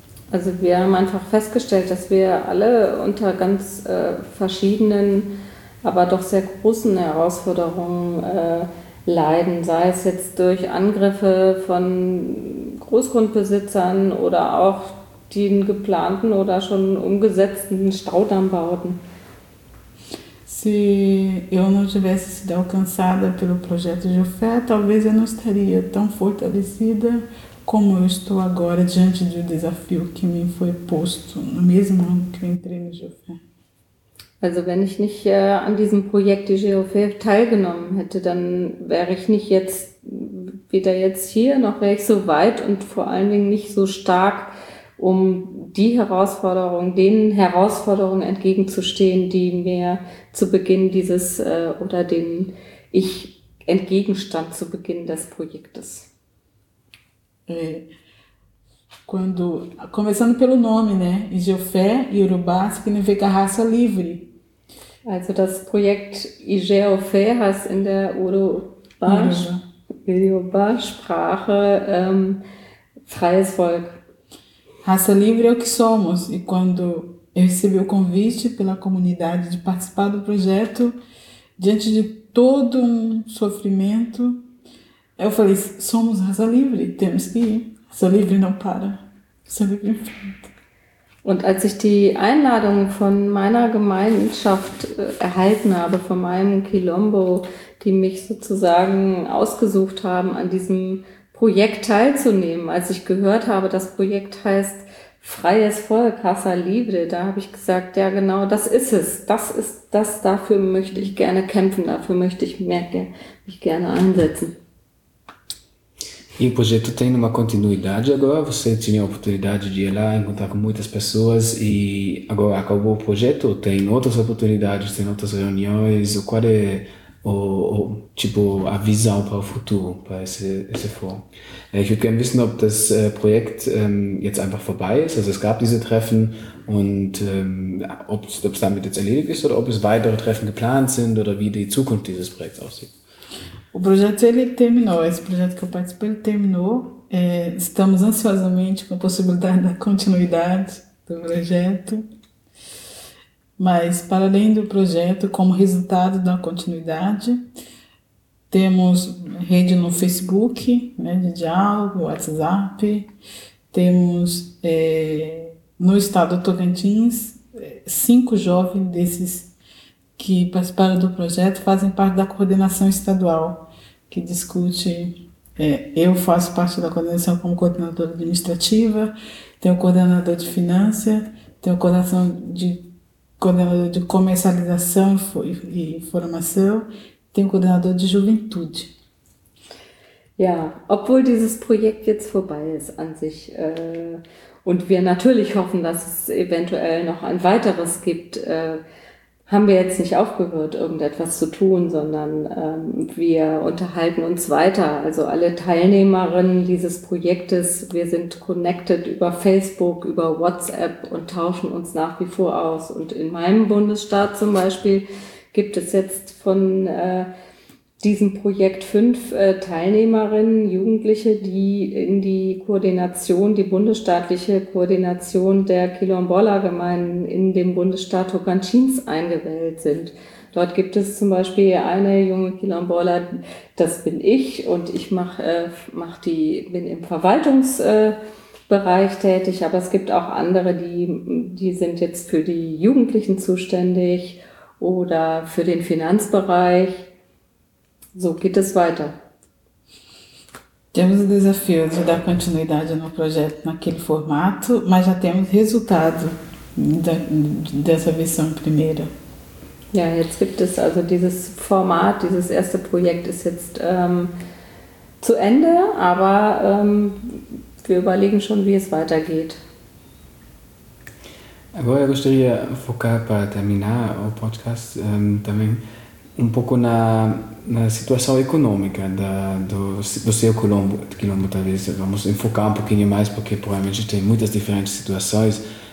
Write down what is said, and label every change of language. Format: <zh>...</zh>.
<de>Also wir haben einfach festgestellt, dass wir alle unter ganz verschiedenen, aber doch sehr großen Herausforderungen leiden, sei es jetzt durch Angriffe von Großgrundbesitzern oder auch den geplanten oder schon umgesetzten Staudammbauten.</de> <pt>Se eu não tivesse sido alcançada pelo projeto de fé, talvez eu não estaria tão fortalecida como eu estou agora diante do desafio que me foi posto no mesmo ano que eu entrei no GEOFE.</pt> <de>Also wenn ich nicht an diesem Projekt GEOFE teilgenommen hätte, dann wäre ich nicht jetzt weder jetzt hier noch wäre ich so weit und vor allen Dingen nicht so stark, um die Herausforderungen, den Herausforderungen entgegenzustehen, die mir zu Beginn dieses oder den ich entgegenstand zu Beginn des Projektes.</de> <pt>quando, começando pelo nome, né? Ijeofé, Yorubá, significa raça livre. Also das Projekt Ijeofé heißt in der Yorubá-Sprache freies Volk. Raça livre é o que somos. E quando eu recebi o convite pela comunidade de participar do projeto, diante de todo um sofrimento, eu falei, somos raça livre, temos que ir. Raça livre não para. Raça livre enfrenta.</pt> <de>Und als ich die Einladung von meiner Gemeinschaft erhalten habe, von meinem Quilombo, die mich sozusagen ausgesucht haben, an diesem Projekt teilzunehmen, als ich gehört habe, das Projekt heißt Freies Volk, Casa Libre, da habe ich gesagt, ja genau, das ist es, das ist das, dafür möchte ich gerne kämpfen, dafür möchte ich mich gerne einsetzen.</de> <pt>E o projeto tem uma continuidade agora, você tinha a oportunidade de ir lá, encontrar com muitas pessoas e agora acabou o projeto, tem outras oportunidades, tem outras reuniões, qual é o tipo a visão para o futuro, para esse fórum?</pt> <de>Ich würde gerne wissen, ob das Projekt jetzt einfach vorbei ist, also es gab diese Treffen und ob es damit jetzt erledigt ist oder ob es weitere Treffen geplant sind oder wie die Zukunft dieses Projekts aussieht.</de> <pt>O projeto ele terminou, esse projeto que eu participei, ele terminou. É, estamos ansiosamente com a possibilidade da continuidade do projeto. Mas, para além do projeto, como resultado da continuidade, temos rede no Facebook, né, de diálogo, WhatsApp. Temos, no estado do Tocantins, 5 jovens desses que participaram do projeto fazem parte da coordenação estadual. Que discute, eu faço parte da coordenação como coordenadora administrativa, tenho coordenador de finança, tenho coordenador de comercialização e formação, tenho coordenador de juventude.</pt> <de>Ja, obwohl dieses Projekt jetzt vorbei ist an sich, und wir natürlich hoffen, dass es eventuell noch ein weiteres gibt, haben wir jetzt nicht aufgehört, irgendetwas zu tun, sondern wir unterhalten uns weiter. Also alle Teilnehmerinnen dieses Projektes, wir sind connected über Facebook, über WhatsApp und tauschen uns nach wie vor aus. Und in meinem Bundesstaat zum Beispiel gibt es jetzt von diesem Projekt 5 Teilnehmerinnen, Jugendliche, die in die Koordination, die bundesstaatliche Koordination der Quilombola-Gemeinden in dem Bundesstaat Tocantins eingewählt sind. Dort gibt es zum Beispiel eine junge Quilombola, das bin ich, und ich bin im Verwaltungsbereich tätig, aber es gibt auch andere, die sind jetzt für die Jugendlichen zuständig oder für den Finanzbereich. So geht es weiter.</de> <pt>Temos o desafio de dar continuidade no projeto naquele formato, mas já temos resultado dessa versão primeira.</pt> <de>Ja, jetzt gibt es also dieses Format, dieses erste Projekt ist jetzt zu Ende, aber wir überlegen schon, wie es weitergeht.</de> <pt>Agora eu gostaria de focar para terminar o podcast também um pouco na situação econômica do seu quilombo, talvez vamos enfocar um pouquinho mais, porque provavelmente tem muitas diferentes situações.</pt>